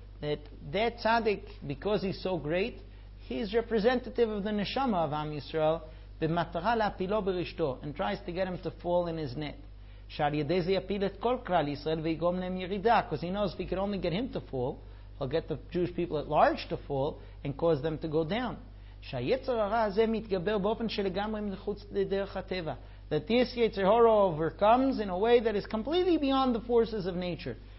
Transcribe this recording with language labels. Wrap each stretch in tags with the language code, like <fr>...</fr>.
<en>That tzaddik, because he's so great, he's representative of the neshama of Am Yisrael,</en> <he>במטרה להפילו ברשתו,</he> <en>and tries to get him to fall in his net.</en> <he>שעל ידי זה יפיל את כל כלל ישראל ויגום להם ירידה,</he> <en>because he knows if he could only get him to fall, he'll get the Jewish people at large to fall, and cause them to go down.</en> <he>שהיצר הרע הזה מתגבר באופן שלגמרי מחוץ לדרך הטבע.</he> <en>That this Yetzer Hara overcomes in a way that is completely beyond the forces of nature.</en>